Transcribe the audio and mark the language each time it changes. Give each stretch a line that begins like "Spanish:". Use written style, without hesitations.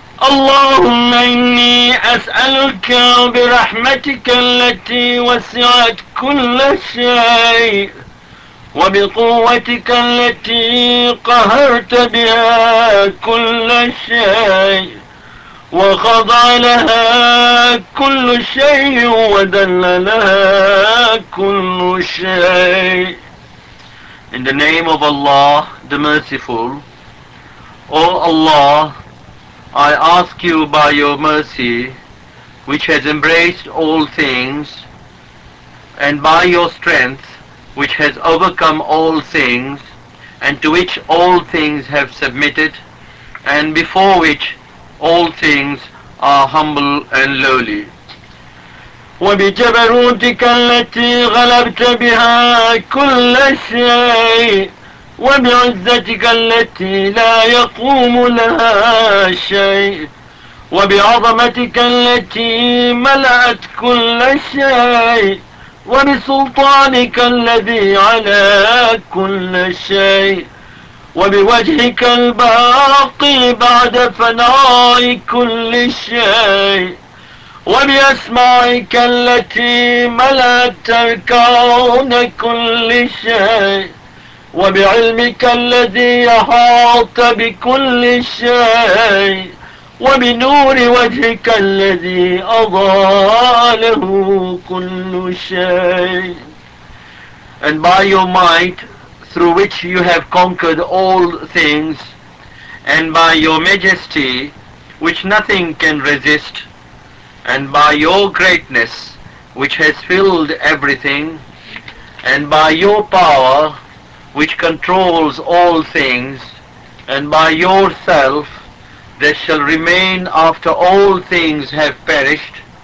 Arabic: اللهم إني أسألك برحمتك التي وسعت كل شيء وبقوتك التي قهرت بها كل شيء وخضع لها كل شيء وذل لها كل شيء.
English: In the name of Allah, the Merciful, O Allah, I ask you by your mercy, which has embraced all things, and by your strength, which has overcome all things, and to which all things have submitted, and before which all things are humble and lowly.
Arabic: وبجبروتك التي غلبت بها كل شيء وبعزتك التي لا يقوم لها شيء وبعظمتك التي ملأت كل شيء وبسلطانك الذي على كل شيء وبوجهك الباقي بعد فناء كل شيء وبأسمائك التي ملأت الكون كل شيء وبعلمك الذي أحاط بكل شيء وبنور وجهك الذي أضاء له كل شيء.
English: And by your might through which you have conquered all things, and by your majesty which nothing can resist, and by your greatness which has filled everything, and by your power which controls all things, and by yourself that shall remain after all things have perished,